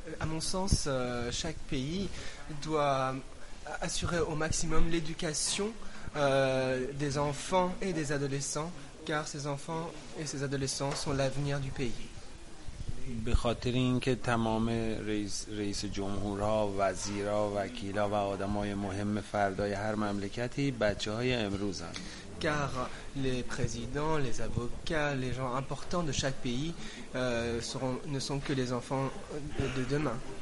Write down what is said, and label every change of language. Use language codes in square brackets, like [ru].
[fr] À mon sens, chaque pays doit assurer au maximum l'éducation des enfants et des adolescents. Car ces enfants et ces adolescents sont l'avenir du pays. [fa] به خاطر اینکه تمام رئیس جمهورها، وزیرها، وکیلها و آدمای مهم فردای هر مملکتی بچه‌های امروزن. [fr] Car les présidents, les avocats, les gens importants de chaque pays ne sont que les enfants de demain.